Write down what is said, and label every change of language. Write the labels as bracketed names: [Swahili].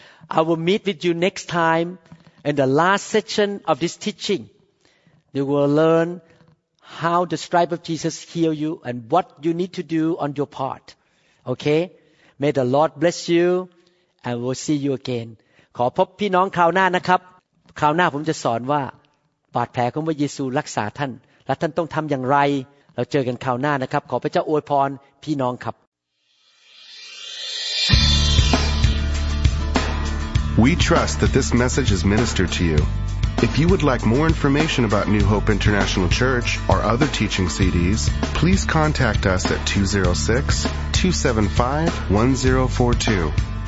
[English] I will meet with you next time in the last section of this teaching. You will learn how the stripe of Jesus heal you and what you need to do on your part. Okay? May the Lord bless you and we'll see you again. [Thai] ขอพบพี่น้องคราวหน้านะครับคราวหน้าผมจะสอนว่าบาดแผลของพระเยซูรักษาท่านและท่านต้องทำอย่างไรเราเจอกันคราวหน้านะครับขอพระเจ้าอวยพรพี่น้องครับ [English] We trust that this message is ministered to you. If you would like more information about New Hope International Church or other teaching CDs, please contact us at 206-275-1042.